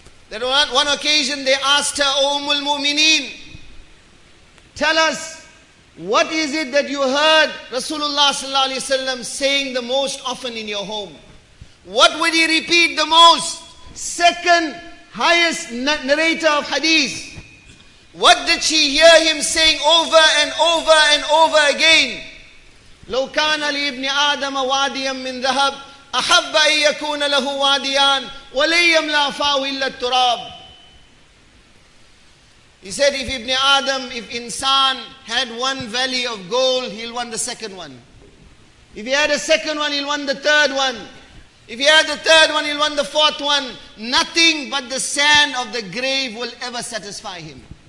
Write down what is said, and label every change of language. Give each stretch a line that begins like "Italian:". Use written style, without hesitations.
English: That on one occasion they asked her, O Ummul Mu'mineen, tell us, what is it that you heard Rasulullah sallallahu alaihi wasallam saying the most often in your home? What would he repeat the most? Second highest narrator of hadith. What did she hear him saying over and over and over again?
Arabic: لو كان لابن آدم واديا من ذهب أحب أن يكون له واديان ولن يملا فاه إلا التراب.
English: He said, if Ibn Adam, if insan had one valley of gold, he'll want the second one. If he had a second one, he'll want the third one. If he had the third one, he'll want the fourth one. Nothing but the sand of the grave will ever satisfy him.